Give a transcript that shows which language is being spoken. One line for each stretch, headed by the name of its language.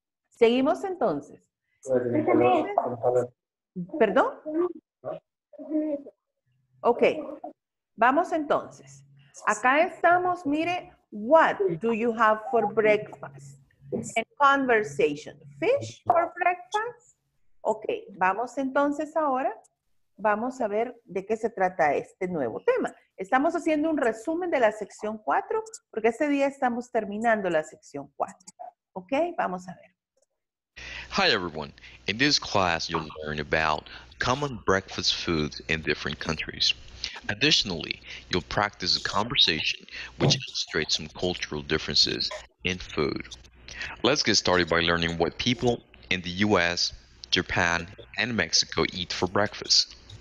Spanish: Seguimos entonces. ¿Perdón? Ok. Vamos entonces. Acá estamos, mire,
English: what do you have for breakfast? In conversation, fish for breakfast?
Spanish: Ok, vamos entonces ahora, vamos a ver de qué se trata este nuevo tema. Estamos haciendo un resumen de la sección 4, porque este día estamos terminando la sección 4. Ok, vamos a ver.
English: Hi everyone. In this class, you'll learn about common breakfast foods in different countries. Additionally, you'll practice a conversation which illustrates some cultural differences in food. Let's get started by learning what people in the US, Japan, and Mexico eat for breakfast.